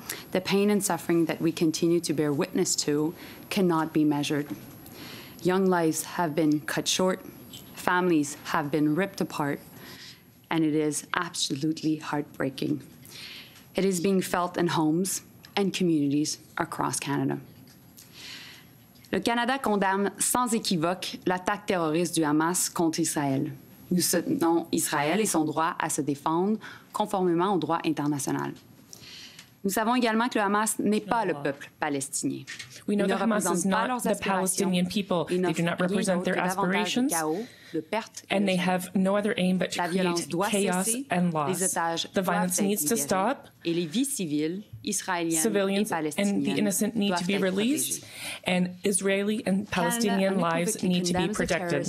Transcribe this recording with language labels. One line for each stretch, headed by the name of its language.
English: The pain and suffering that we continue to bear witness to cannot be measured. Young lives have been cut short, families have been ripped apart, and it is absolutely heartbreaking. It is being felt in homes and communities across Canada.
French: Le Canada condamne sans équivoque l'attaque terroriste du Hamas contre Israël. Nous soutenons Israël et son droit à se défendre conformément au droit international. Nous savons également que le Hamas n'est pas le peuple palestinien.
English: We know that Hamas is not the Palestinian people. They do not represent their aspirations, and they have no other aim but to create chaos and loss. The violence needs to stop. Civilians and the innocent need to be released, and Israeli and Palestinian lives need to be protected.